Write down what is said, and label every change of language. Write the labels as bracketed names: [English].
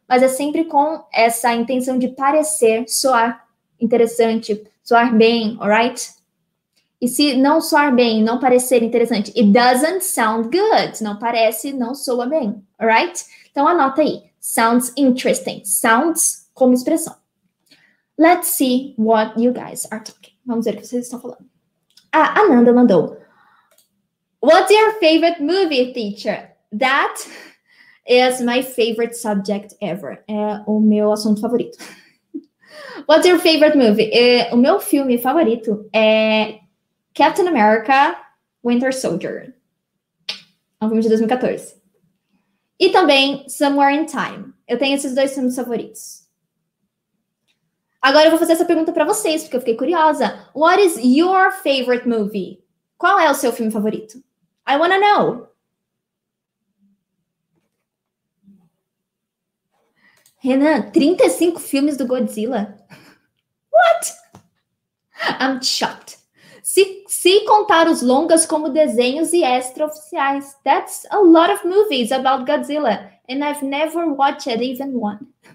[Portuguese] Mas é sempre com essa intenção de parecer, soar interessante, soar bem, alright? E se não soar bem, não parecer interessante, [English] it doesn't sound good. [Portuguese] Não parece, não soa bem, alright? Então anota aí. Sounds interesting. Sounds como expressão. [English] Let's see what you guys are talking. [Portuguese] Vamos ver o que vocês estão falando. Ah, Ananda mandou. [English] What's your favorite movie, teacher? That is my favorite subject ever. [Portuguese] É o meu assunto favorito. [English] What's your favorite movie? [Portuguese] O meu filme favorito é Captain America Winter Soldier. Um filme de 2014. E também Somewhere in Time. Eu tenho esses dois filmes favoritos. Agora eu vou fazer essa pergunta para vocês, porque eu fiquei curiosa. [English] What is your favorite movie? [Portuguese] Qual é o seu filme favorito? [English] I wanna know. [Portuguese] Renan, 35 filmes do Godzilla? [English] What? I'm shocked. [Portuguese] Se contar os longas como desenhos e extra-oficiais, [English] that's a lot of movies about Godzilla, and I've never watched even one.